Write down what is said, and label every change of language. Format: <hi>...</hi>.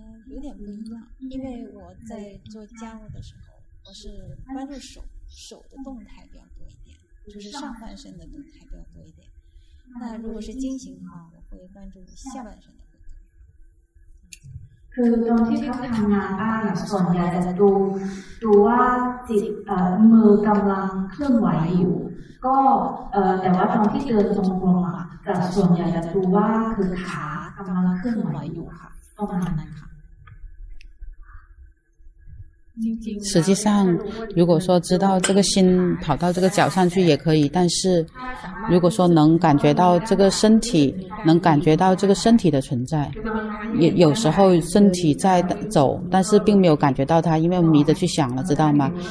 <zh>有点不一样，因为我在做家务的时候，我是关注手的动态比较多一点，就是上半身的动态比较多一点。那如果是进行的话，我会关注下半身的动作。</zh> <th>คือตอนที่เขาทำงานบ้านส่วนใหญ่จะดูว่าจิตมือกำลังเคลื่อนไหวอยู่ก็แต่ว่าตอนที่เดินจงกรมอ่ะจะส่วนใหญ่จะดูว่าคือขาก ำลังเคลื่อนไหวอยู่ค่ะประมาณนั้นค่ะ</th> <zh>实际上如果说知道这个心跑到这个脚上去也可以，但是如果说能感觉到这个身体，能感觉到这个身体的存在，也有时候身体在走，但是并没有感觉到它，因为迷着去想了，知道吗？</zh>